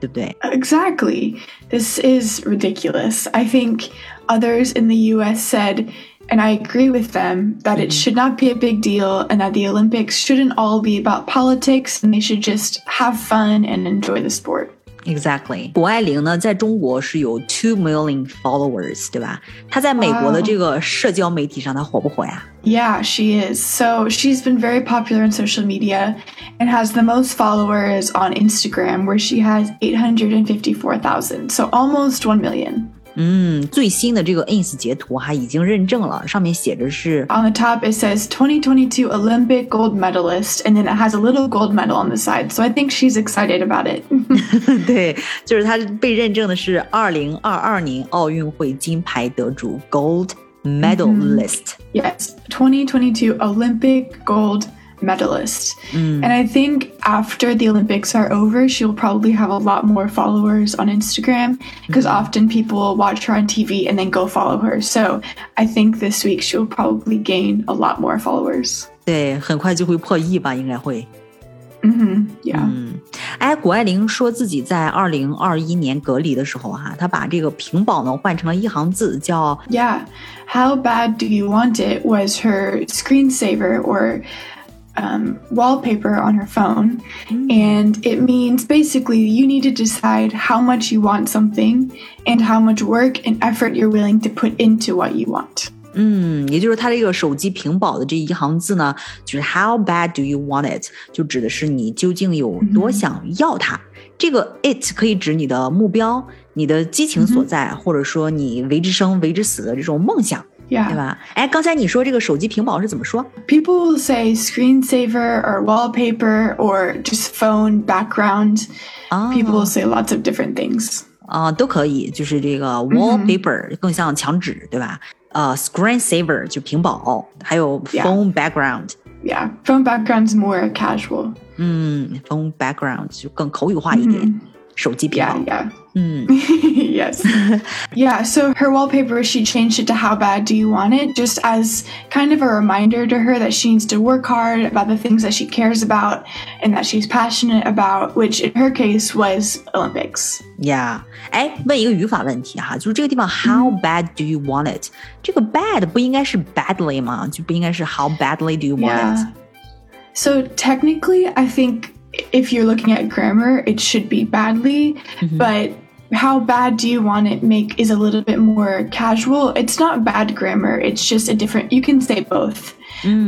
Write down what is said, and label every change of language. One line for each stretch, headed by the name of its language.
Chinese: 对不对
English: Exactly. This is ridiculous. I think others in the US said, and I agree with them, that it should not be a big deal and that the Olympics shouldn't all be about politics and they should just have fun and enjoy the sport. Exactly.
Chinese: 谷爱凌呢在中国是有
English: 2 million followers,
Chinese: 对吧她在美国的这个社交媒体上她火不火呀
English: Yeah, she is. So she's been very popular on social media and has the most followers on Instagram where she has 854,000. So almost 1 million.
Chinese: 最新的这个 Ins 截图还已经认证了上面写着是
English: On the top it says 2022 Olympic gold medalist and then it has a little gold medal on the side. So I think she's excited about it.
Chinese: 对就是她被认证的是2022年奥运会金牌得主
English: gold medalist.、 Mm-hmm. Yes, 2022 Olympic gold medalist.、And I think after the Olympics are over, she'll probably have a lot more followers on Instagram because、mm-hmm. often people watch her on TV and then go follow her. So I think this week she'll probably gain a lot more followers.
Chinese: 对很快就会破亿吧应该会。 Mm-hmm, yeah. 哎，谷爱凌说自己在2021年隔离的时候啊，她把这个屏保呢换成了一行字，叫
English: Yeah, how bad do you want it? Was her screensaver or wallpaper on her phone, and it means basically you need to decide how much you want something and how much work and effort you're willing to put into what you want.
Chinese: 也就是他这个手机屏保的这一行字呢就是
English: how bad do you want it
Chinese: 就指的是你究竟有多想要它、mm-hmm. 这个 it 可以指你的目标你的激情所在、mm-hmm. 或者说你为之生为之死的这种梦想、 yeah. 对吧哎，刚才你说这个手机屏保是怎么说
English: people will say screensaver or wallpaper or just phone background、people will say lots of different things、
Chinese: 都可以就是这个 wallpaper、mm-hmm. 更像墙纸对吧screensaver 就屏保还有 phone yeah.
English: background yeah phone background is more casual
Chinese: phone background 就更口语化一点、 mm-hmm. 手机屏。 Yeah, yeah. Mm. Yes.
English: Yeah, so her wallpaper, she changed it to how bad do you want it, just as kind of a reminder to her that she needs to work hard about the things that she cares about and that she's passionate about, which in her case was Olympics. Yeah.
Chinese: 问一个语法问题哈，就是这个地方
English: how bad do you want it?
Chinese: 这个 bad 不应该是 badly 吗？就不应该是
English: how badly do you want it? So technically, I think... If you're looking at grammar, it should be badly,、mm-hmm. but how bad do you want it make is a little bit more casual. It's not bad grammar, it's just a different, you can say both,、mm.